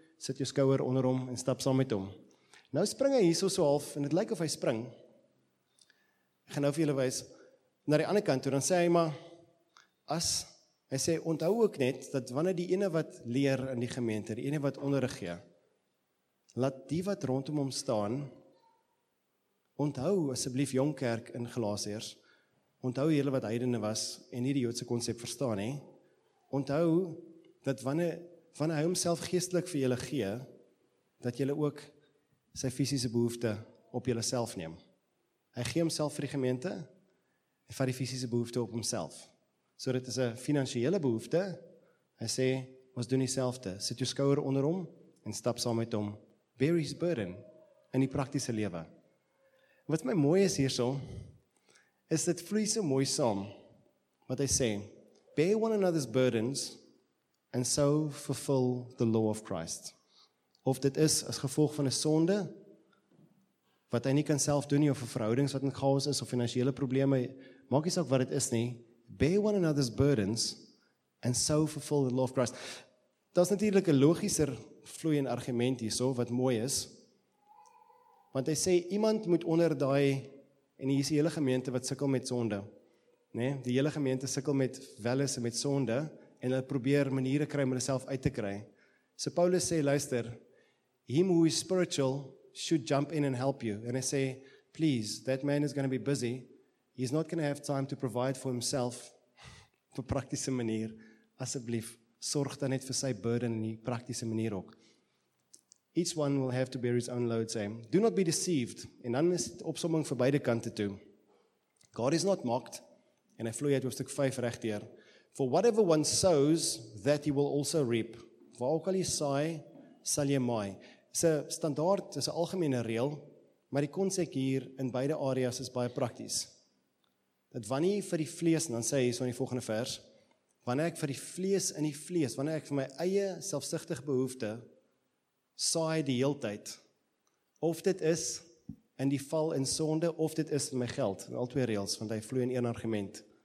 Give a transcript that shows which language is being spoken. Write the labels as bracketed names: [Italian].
[Afrikaans] Sit jou skouer onder hom en stap saam met hom. Nou spring hy hierso so half, en het lyk of hy spring, ek gaan nou vir julle wys, na die ander kant toe, dan sê hy maar, onthou ook net, dat wanneer die ene wat leer in die gemeente, die ene wat onderrig gee, laat die wat rondom hom staan, onthou asseblief jong kerk in Galasiërs, Onthou julle wat heidene was en nie die Joodse konsep verstaan nie. Onthou dat wanneer hy homself geestelik vir julle gee, dat julle ook sy fisiese behoefte op jouself neem. Hy gee homself vir die gemeente en vat die fisiese behoefte op homself. So dit is 'n finansiële behoefte. Hy sê, ons doen dieselfde. Sit jou skouer onder hom en stap saam met hom. [English] Bear his burden [Afrikaans] in die praktiese lewe. Wat my mooi is hierso, is dit vloei so mooi saam. Wat hy sê, [English] bear one another's burdens and so fulfill the law of Christ. [Afrikaans] Of dit is as gevolg van 'n sonde, wat hy nie kan self doen nie, of 'n verhoudings wat in chaos is, of finansiële probleme, maak nie saak wat dit is nie, [English] bear one another's burdens and so fulfill the law of Christ. [Afrikaans] Dit is natuurlik 'n logischer vloeiende argument hierso, wat mooi is, want hy sê, iemand moet onder daai, en hier is die hele gemeente wat sukkel met sonde, nee, die hele gemeente sukkel met welis en met sonde, en hulle probeer maniere kry om hulle self uit te kry. So Paulus sê, luister, [English] him who is spiritual should jump in and help you. And I say, please, that man is going to be busy. He's not going to have time to provide for himself [Afrikaans] op 'n praktiese manier. Asseblief, sorg dan net vir sy burden in die praktiese manier ook. [English] Each one will have to bear his own load, same. Do not be deceived. [Afrikaans] En dan is het opsomming vir beide kante toe. [English] God is not mocked. [Afrikaans] En hy vloei uit hoofstuk 5 regdeur. [English] For whatever one sows, that he will also reap. [Afrikaans] Waar ook al jy saai, sal jy maai. Dis 'n standaard, dis 'n algemene reël, maar die konsep hier in beide areas is baie prakties. Dat wanneer jy vir die vlees, en dan sê hy hierso in die volgende vers, wanneer ek vir die vlees in die vlees, wanneer ek vir my eie selfsugtige behoefte saai die heeltyd, of dit is in die val in sonde, of dit is in my geld, in al twee reëls, want hy vloei in een argument.